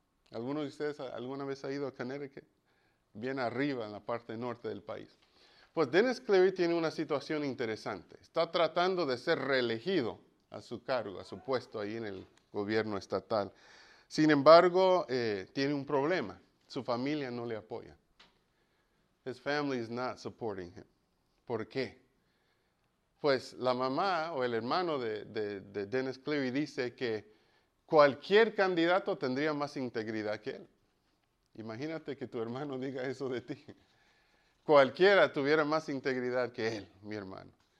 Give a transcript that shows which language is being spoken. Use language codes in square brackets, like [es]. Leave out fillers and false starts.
[es] ¿Alguno de ustedes alguna vez ha ido a Connecticut? Bien arriba, en la parte norte del país. Pues Dennis Cleary tiene una situación interesante. Está tratando de ser reelegido a su cargo, a su puesto ahí en el gobierno estatal. Sin embargo, tiene un problema. Su familia no le apoya. [en] His family is not supporting him. [es] ¿Por qué? Pues la mamá o el hermano de Dennis Cleary dice que cualquier candidato tendría más integridad que él. Imagínate que tu hermano diga eso de ti. Cualquiera tuviera más integridad que él, mi hermano.